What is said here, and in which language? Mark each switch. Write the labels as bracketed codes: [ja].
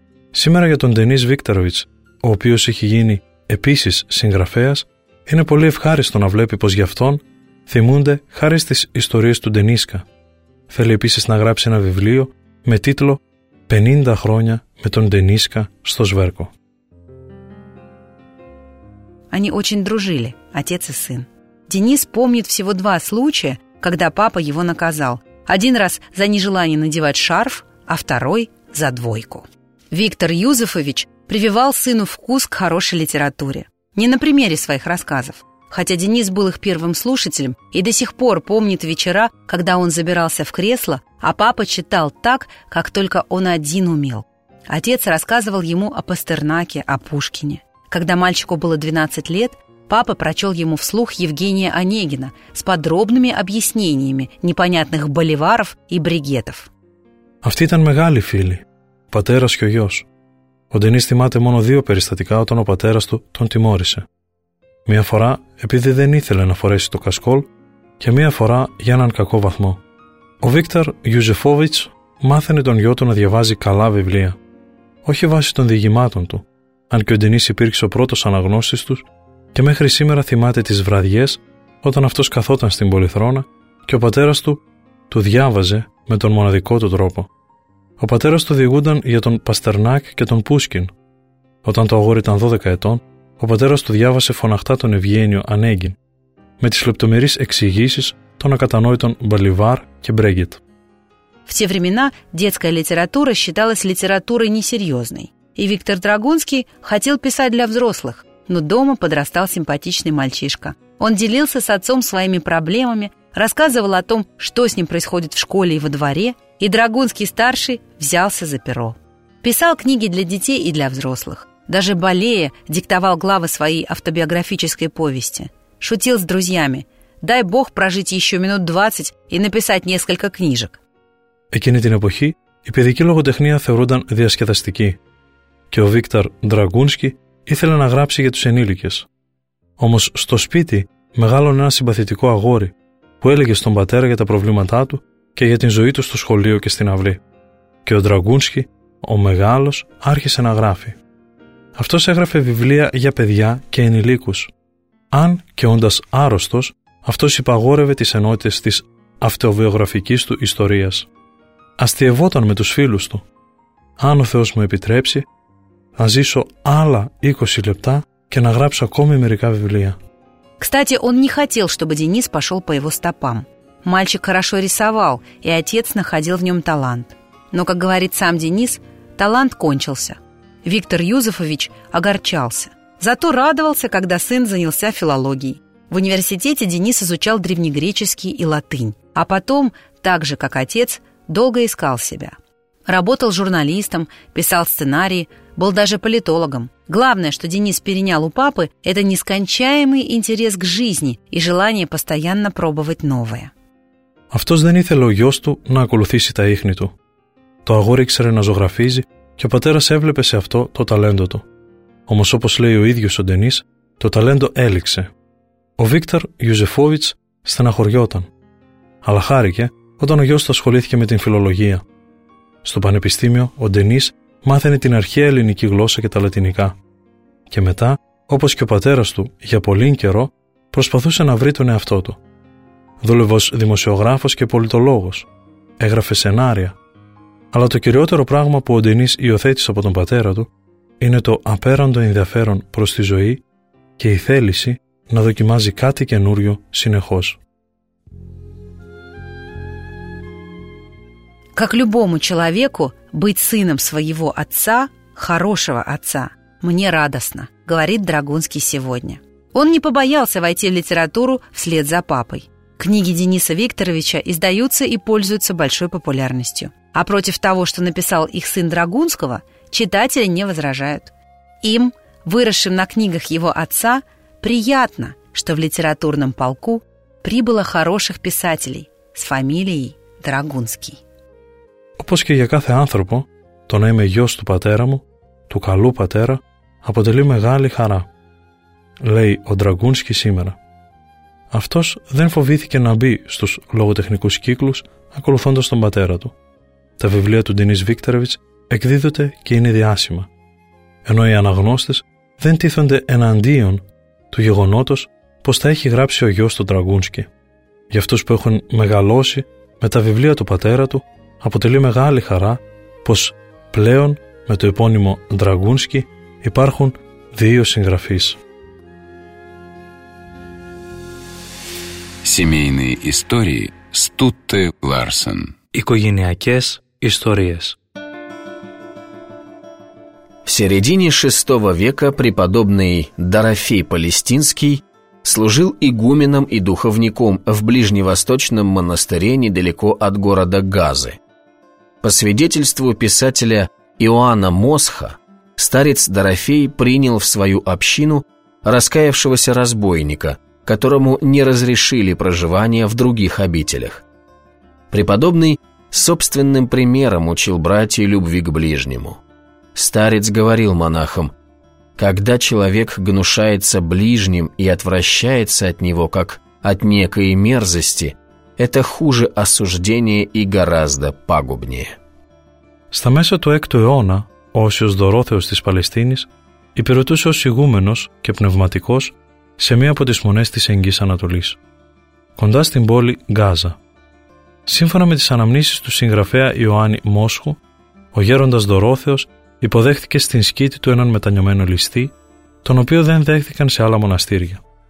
[el] Σήμερα για τον Ντενίς Βίκτοροβιτς, ο οποίος έχει γίνει επίσης συγγραφέας, είναι πολύ ευχάριστο να βλέπει πως γι' αυτόν θυμούνται χάρη στις ιστορίες του Ντενίσκα. Θέλει επίσης να γράψει ένα βιβλίο με τίτλο «50 χρόνια με τον Ντενίσκα στο Σβέρκο». [ru] Они очень дружили, отец и сын. Денис помнит всего два случая, когда папа его наказал. Один раз за нежелание надевать шарф, а второй за двойку. Виктор Юзефович прививал сыну вкус к хорошей литературе. Не на примере своих рассказов, хотя Денис был их первым слушателем и до сих пор помнит вечера, когда он забирался в кресло, а папа читал так, как только он один умел. Отец рассказывал ему о Пастернаке, о Пушкине. Когда мальчику было 12 лет, папа прочел ему вслух Евгения Онегина с подробными объяснениями непонятных боливаров и бригетов. [el] Αυτοί ήταν μεγάλοι φίλοι, ο πατέρας και ο γιος. Ο Ντενής θυμάται μόνο δύο περιστατικά όταν ο πατέρας του τον τιμώρησε. Μία φορά επειδή δεν ήθελε να φορέσει το κασκόλ και μία φορά για έναν κακό βαθμό. Ο Βίκτορ Γιουζεφόβιτς μάθαινε τον γιο του να διαβάζει καλά βιβλία. Όχι βάσει των διηγημάτων του, αν και ο Ντενής υπήρξε ο πρώτος αναγνώστης τους και μέχρι σήμερα θυμάται τις βραδιές όταν αυτός καθόταν στην πολυθρόνα και ο πατέρας του διάβαζε με τον μοναδικό του τρόπο. Ο πατέρας του διηγούνταν για τον Παστερνάκ και τον Πούσκιν. Όταν το αγόρι ήταν 12 ετών, ο πατέρας του διάβασε φωναχτά τον Ευγένιο Ανέγκιν, με τις λεπτομερείς εξηγήσεις των ακατανόητων Μπολιβάρ και Μπρέγκετ. [ru] В те времена детская литература считалась литературой несерьезной, и Виктор Драгунский хотел писать для взрослых, но дома подрастал симпатичный мальчишка. Он делился с отцом своими проблемами, рассказывал о том, что с ним происходит в школе и во дворе, и Драгунский-старший взялся за перо. Писал книги для детей и для взрослых. Даже Балея диктовал главы своей автобиографической повести. Шутил с друзьями: «Дай Бог прожить еще минут 20 и написать несколько книжек». [el] Εκείνη την εποχή, η παιδική λογοτεχνία θεωρούνταν διασκεδαστική και ο Βίκτορ Ντραγκούνσκι ήθελε να γράψει για τους ενήλικες. Όμως στο σπίτι μεγάλωνε ένα συμπαθητικό αγόρι που έλεγε στον πατέρα για τα προβλήματά του και για την ζωή του στο σχολείο και στην αυλή. Και ο Ντραγκούνσκι, ο μεγάλος, άρχισε να γράφει. Αυτός έγραφε βιβλία για παιδιά και ενηλίκους. Αν και όντας άρρωστος, αυτός υπαγόρευε τις ενότητες της αυτοβιογραφικής του ιστορίας. Αστειευόταν με τους φίλους του. Αν ο Θεός μου επιτρέψει, θα ζήσω άλλα 20 λεπτά και να γράψω ακόμη μερικά βιβλία. [ru] Кстати, он не хотел, чтобы Денис пошел по его стопам. Мальчик хорошо рисовал, и отец находил в нем талант. Но, как говорит сам Денис, талант кончился. Виктор Юзефович огорчался. Зато радовался, когда сын занялся филологией. В университете Денис изучал древнегреческий и латынь. А потом, так же, как отец, долго искал себя. Работал журналистом, писал сценарии, был даже политологом. Главное, что Денис перенял у папы, это нескончаемый интерес к жизни и желание постоянно пробовать новое. [el] Αυτός δεν ήθελε ο γιος του να ακολουθήσει τα ίχνη του. Το αγόρι ήξερε να ζωγραφίζει και ο πατέρας έβλεπε σε αυτό το ταλέντο του. Όμως όπως λέει ο ίδιος ο Ντενής, το ταλέντο έληξε. Ο Βίκτορ Γιουζεφόβιτς στεναχωριόταν. Αλλά χάρηκε όταν ο γιος του ασχολήθηκε με την φιλολογία. Στο πανεπιστήμιο, ο Ντενής μάθαινε την αρχαία ελληνική γλώσσα και τα λατινικά. Και μετά, όπως και ο πατέρας του, για πολύ καιρό, προσπαθούσε να βρει τον εαυτό του. Δούλευε ως δημοσιογράφος και πολιτολόγος. Έγραφε σενάρια. Αλλά το κυριότερο πράγμα που ο Ντενής υιοθέτησε από τον πατέρα του είναι το απέραντο ενδιαφέρον προς τη ζωή και η θέληση να δοκιμάζει κάτι καινούριο συνεχώς. [ru] Как любому человеку, быть сыном своего отца, хорошего отца, мне радостно, говорит Драгунский сегодня. Он не побоялся войти в литературу вслед за папой. Книги Дениса Викторовича издаются и пользуются большой популярностью. А против того, что написал их сын Драгунского, читатели не возражают. Им, выросшим на книгах его отца, приятно, что в литературном полку прибыло хороших писателей с фамилией Драгунский. [el] Όπως και για κάθε άνθρωπο, το να είμαι γιος του πατέρα μου, του καλού πατέρα, αποτελεί μεγάλη χαρά, λέει ο Ντραγκούνσκι σήμερα. Αυτός δεν φοβήθηκε να μπει στους λογοτεχνικούς κύκλους ακολουθώντας τον πατέρα του. Τα βιβλία του Ντενής Βίκτορεβιτς εκδίδονται και είναι διάσημα. Ενώ οι αναγνώστες δεν τίθονται εναντίον του γεγονότος πως θα έχει γράψει ο γιος του Ντραγκούνσκι. Για αυτούς που έχουν μεγαλώσει με τα βιβλία του πατέρα του, αποτελεί μεγάλη χαρά πως πλέον με το επώνυμο Ντραγκούνσκι υπάρχουν δύο συγγραφείς. [ru] Семейные истории Стутте Ларсен. [el] Οικογενειακές ιστορίες. [ru] В середине VI века преподобный Дорофей Палестинский служил игуменом и духовником в ближневосточном монастыре недалеко от города Газы. По свидетельству писателя Иоанна Мосха, старец Дорофей принял в свою общину раскаявшегося разбойника, которому не разрешили проживание в других обителях. Преподобный собственным примером учил братья любви к ближнему. Старец говорил монахам: «Когда человек гнушается ближним и отвращается от него, как от некой мерзости, это хуже осуждения и гораздо пагубнее». [el] Στα μέσα του 6ου αιώνα, ο Όσιος Δωρόθεος της Παλαιστίνης υπηρετούσε ως ηγούμενος και πνευματικός σε μία από τις μονές της Αιγγής Ανατολής, κοντά στην πόλη Γκάζα. Σύμφωνα με τις αναμνήσεις του συγγραφέα Ιωάννη Μόσχου, ο γέροντας Δωρόθεος υποδέχθηκε στην σκήτη του έναν μετανιωμένο ληστή, τον οποίο δεν δέχθηκαν σε άλλα μοναστήρια.